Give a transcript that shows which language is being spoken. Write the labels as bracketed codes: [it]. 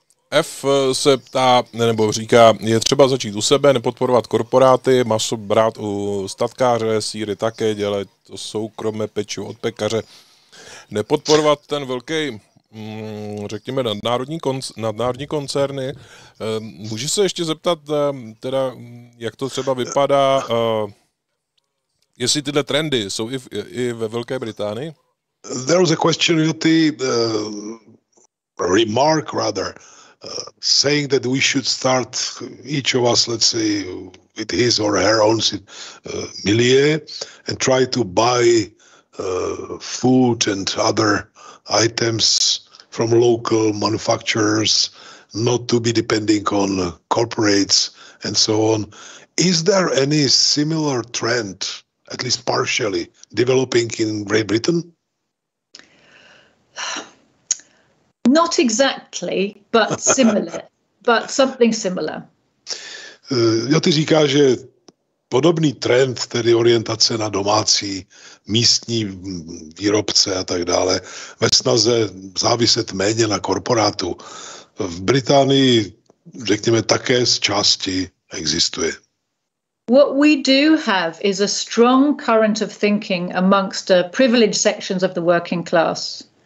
[cs] F se ptá, nebo říká, je třeba začít u sebe, nepodporovat korporáty, maso brát u statkáře, síry také, dělat to soukromé pečivo od pekaře, nepodporovat ten velký, řekněme, nadnárodní koncerny. Můžu se ještě zeptat, teda, jak to třeba vypadá, jestli tyhle trendy jsou i ve Velké Británii? [en] There was a question, Joti, remark rather, saying that we should start each of us, let's say, with his or her own milieu and try to buy food and other items from local manufacturers, not to be depending on corporates and so on. Is there any similar trend, at least partially, developing in Great Britain? Not exactly, but similar, but something similar. [cs] Joti říká, že podobný trend, tedy orientace na domácí, místní výrobce a tak dále, ve snaze záviset méně na korporátu, v Británii, řekněme, také z části existuje. [en] What we do have is a strong current of thinking amongst the privileged sections of the working class.